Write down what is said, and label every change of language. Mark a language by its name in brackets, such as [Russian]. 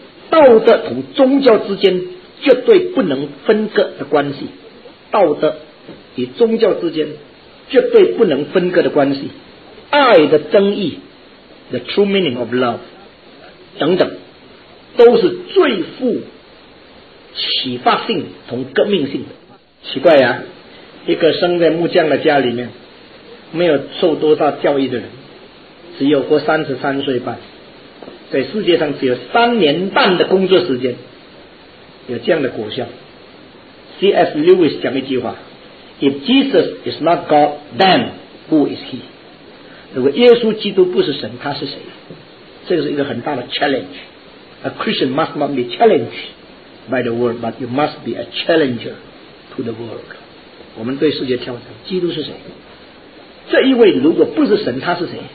[Chinese] 道德同宗教之间绝对不能分割的关系，道德与宗教之间绝对不能分割的关系，爱的争议 the true meaning of love 等等，都是最富启发性同革命性的。奇怪啊，一个生在木匠的家里面，没有受多大教育的人，只有过33岁半，在世界上只有3年半的工作时间，有这样的果效。 [English] C.S. Lewis 讲一句话， If Jesus is not God, then who is he? [Chinese] 如果耶稣基督不是神，他是谁？这个是一个很大的 challenge. [English] A Christian must not be challenged by the world, but you must be a challenger to the world. [Chinese] 我们对世界挑战，基督是谁？这一位如果不是神，他是谁？